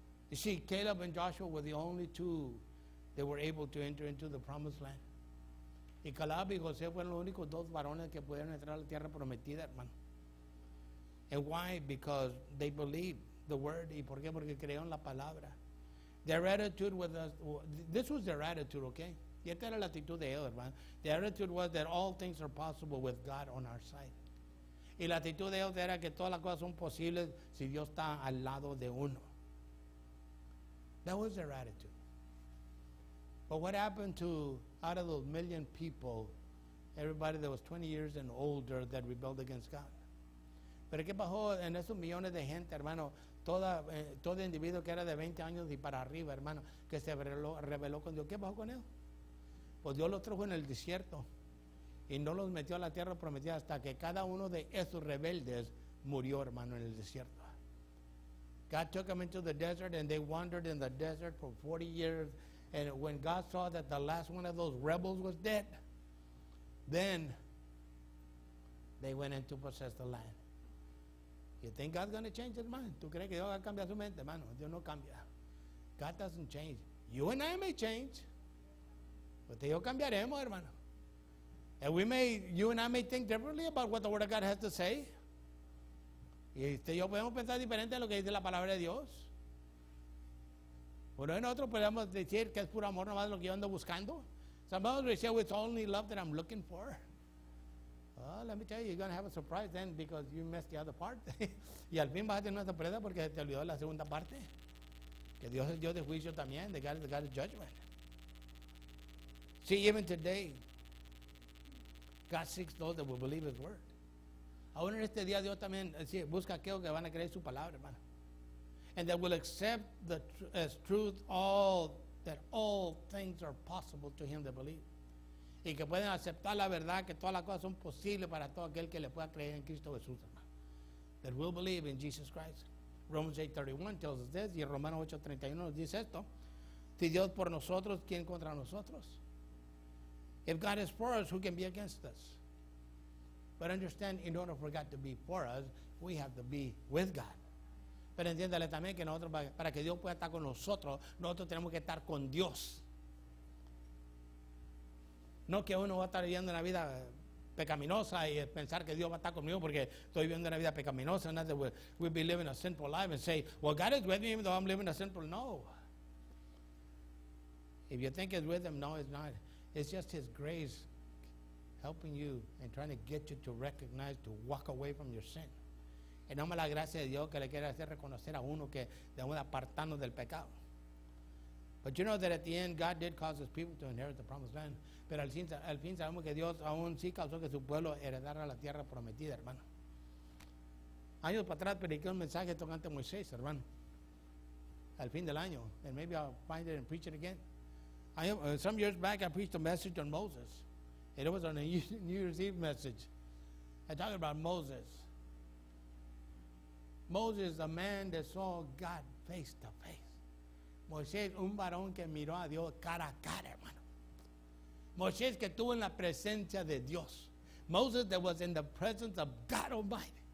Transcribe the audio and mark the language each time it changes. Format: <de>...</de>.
<en>You see, Caleb and Joshua were the only two that were able to enter into the promised land.</en> <es>Y Caleb y José fueron los únicos dos varones que pudieron entrar a la tierra prometida, hermano.</es> <en>And why? Because they believed the word.</en> <es>¿Y por qué? Porque creyeron la palabra.</es> <en>Their attitude was, this was their attitude, okay?</en> <es>Y esta era la actitud de ellos, hermano.</es> <en>Their attitude was that all things are possible with God on our side.</en> <es>Y la actitud de ellos era que todas las cosas son posibles si Dios está al lado de uno.</es> <en>That was their attitude. But what happened to, out of those million people, everybody that was 20 years and older that rebelled against God?</en> <es>Pero qué pasó en esos millones de gente, hermano, todo individuo que era de 20 años y para arriba, hermano, que se rebeló con Dios. ¿Qué pasó con él? Pues Dios los trajo en el desierto y no los metió a la tierra prometida hasta que cada uno de esos rebeldes murió, hermano, en el desierto.</es> <en>God took them into the desert and they wandered in the desert for 40 years. And when God saw that the last one of those rebels was dead, then they went in to possess the land. You think God's going to change his mind?</en> <es>¿Tú crees que Dios va a cambiar su mente, hermano? Dios no cambia.</es> <en>God doesn't change. You and I may change.</en> <es>But yo cambiaremos, hermano.</es> <en>And you and I may think differently about what the word of God has to say.</en> <es>Y usted y yo podemos pensar diferente a lo que dice la palabra de Dios. Bueno, nosotros podemos decir que es puro amor nomás lo que yo ando buscando.</es> <en>Some of us will say, it's only love that I'm looking for. Well, let me tell you, you're going to have a surprise then because you missed the other part.</en> <es>Y al fin vas a tener una sorpresa porque se te olvidó la segunda parte. Que Dios es Dios de juicio también, de</es> <en>God is the God of judgment. See, even today, God seeks those that will believe his word.</en> <es>Aún en este día, Dios también busca aquellos que van a creer su palabra, hermano.</es> <en>And that will accept as truth all things are possible to him that believes.</en> <es>Y que pueden aceptar la verdad que todas las cosas son posibles para todo aquel que le pueda creer en Cristo Jesús, hermano.</es> <en>That will believe in Jesus Christ. Romans 8:31 tells us this.</en> <es>Y Romanos 8:31 nos dice esto. Si Dios por nosotros, ¿quién contra nosotros?</es> <en>If God is for us, who can be against us? But understand, in order for God to be for us, we have to be with God.</en> <es>Pero entiéndale también que nosotros, para que Dios pueda estar con nosotros, nosotros tenemos que estar con Dios. No que uno va a estar viviendo una vida pecaminosa y pensar que Dios va a estar conmigo porque estoy viviendo una vida pecaminosa.</es> <en>And that we'll be living a sinful life and say, well, God is with me even though I'm living a sinful. No. If you think it's with him, no, it's not. It's just his grace helping you and trying to get you to recognize, to walk away from your sin.</en> <es>En nombre de la gracia de Dios que le quiere hacer reconocer a uno que debemos apartarnos del pecado.</es> <en>But you know that at the end, God did cause his people to inherit the promised land.</en> <es>Pero al fin sabemos que Dios aún sí causó que su pueblo heredara la tierra prometida, hermano. Años para atrás, prediqué un mensaje tocante a Moisés, hermano. Al fin del año.</es> <en>And maybe I'll find it and preach it again. Some years back, I preached a message on Moses. And it was on a New Year's Eve message. I talked about Moses. Moses, the man that saw God face to face.</en> <es>Moisés, un varón que miró a Dios cara a cara, hermano. Moisés, que estuvo en la presencia de Dios.</es> <en>Moses, that was in the presence of God Almighty.</en>